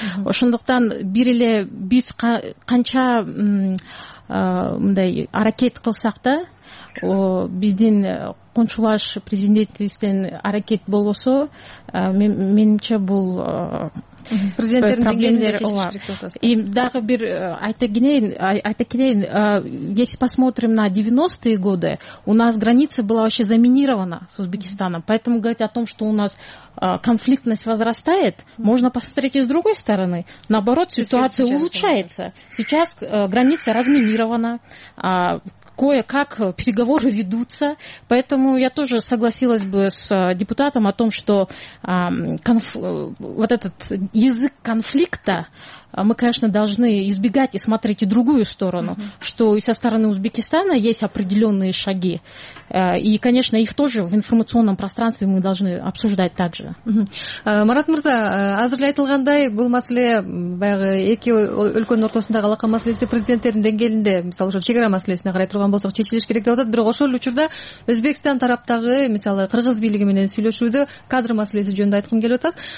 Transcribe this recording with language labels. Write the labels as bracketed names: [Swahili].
[Kyrgyz] Ошондуктан бир эле биз канча мындай аракет кылсак да, биздин коңшулаш президентибизден аракет болбосо, менимче бул президенттердин деңгээлинде чечилет. [Russian] И дагы бир айта кетейин, если посмотрим на 90-е годы, у нас граница была вообще заминирована с Узбекистаном. Поэтому говорить о том, что у нас конфликтность возрастает, можно посмотреть и с другой стороны. Наоборот, ситуация улучшается. Сейчас граница разминирована. Кое-как переговоры ведутся. Поэтому я тоже согласилась бы с депутатом о том, что вот этот язык конфликта мы, конечно, должны избегать и смотреть и другую сторону, что и со стороны Узбекистана есть определенные шаги. И, конечно, их тоже в информационном пространстве мы должны обсуждать также. [Kyrgyz] Марат Мырза, азырга айтылгандай, бул маселе баягы эки өлкөнүн ортосундагы алака маселеси президенттердин деңгээлинде, мисалы ошо чек ара маселесине карай турган болсок, чечилиш керек деп атат. Бирок ошол учурда Өзбекстан тараптагы, мисалы, кыргыз бийлиги менен сүйлөшүүдө кадр маселеси жөнүндө айткым келип атат.